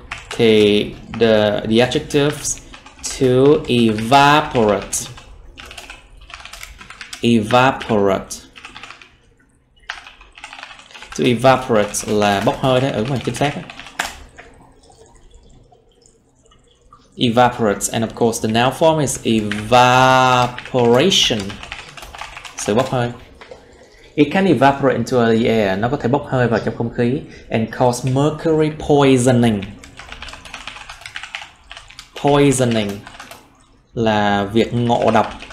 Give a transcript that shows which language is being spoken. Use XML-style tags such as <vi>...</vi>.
<en>Thì the adjectives to evaporate. Evaporate.</en> <vi>To evaporate là bốc hơi đấy, ở ngoài chính xác.</vi> <en>Evaporate, and of course the noun form is evaporation.</en> <vi>Sự bốc hơi.</vi> <en>It can evaporate into the air.</en> <vi>Nó có thể bốc hơi vào trong không khí</vi> <en>and cause mercury poisoning.</en> <vi>Poisoning là việc ngộ độc.</vi>